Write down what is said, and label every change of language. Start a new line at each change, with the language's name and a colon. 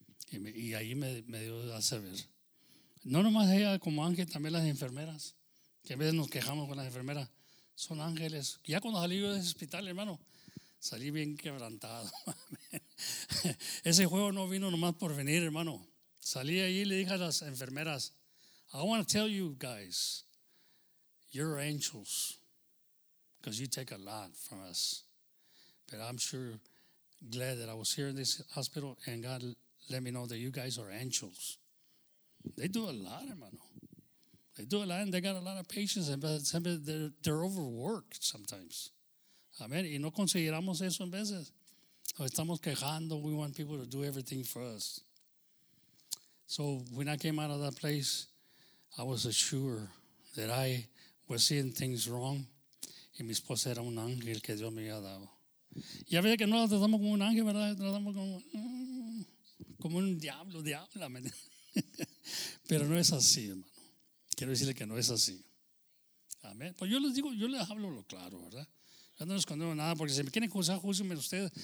Spanish: Y ahí me dio a saber. No nomás ella como ángel, también las enfermeras, que a veces nos quejamos con las enfermeras, son ángeles. Ya cuando salí yo del hospital, hermano, salí bien quebrantado. Ese juego no vino nomás por venir, hermano. Salí ahí y le dije a las enfermeras,
English: I want to tell you guys, you're angels, because you take a lot from us. But I'm sure glad that I was here in this hospital and God let me know that you guys are angels. They do a lot, hermano. They do a lot and they got a lot of patients, but they're overworked sometimes. Amen.
Spanish: Y no consideramos eso en veces. O estamos quejando.
English: We want people to do everything for us. So when I came out of that place, I was assured that I was seeing things wrong.
Spanish: Y mi esposa era un ángel que Dios me había dado. Y a veces que no la tratamos como un ángel, ¿verdad? Tratamos como un diablo. Amen. Pero no es así, hermano. Quiero decirle que no es así. Amén. Pues yo les digo, yo les hablo lo claro, ¿verdad? Yo no les escondo nada, porque si me quieren juzgar, júzguenme ustedes.